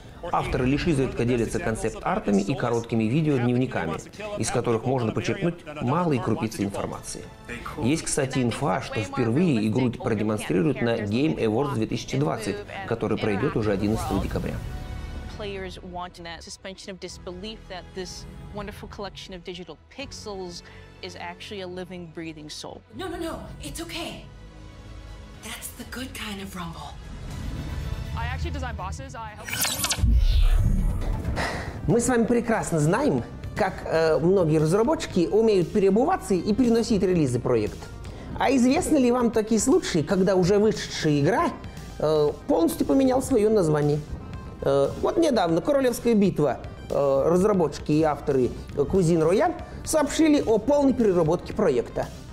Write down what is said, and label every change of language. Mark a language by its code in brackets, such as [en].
[ru] Авторы лишь изредка делятся концепт-артами и короткими видео-дневниками, из которых можно почерпнуть малые крупицы информации. Есть, кстати, инфа, что впервые игру продемонстрируют на Game Awards 2020, который пройдет уже 11 декабря. [en] Players want that suspension of disbelief that this wonderful collection of digital pixels is actually a living, breathing soul. No, no, no, it's okay. That's the good kind of rumble. I actually design bosses. I help. [ru] Мы с вами прекрасно знаем, как многие разработчики умеют переобуваться и переносить релизы проект. А известны ли вам такие случаи, когда уже вышедшая игра полностью поменял свое название. Вот недавно «Королевская битва» разработчики и авторы Cuisine Royale сообщили о полной переработке проекта.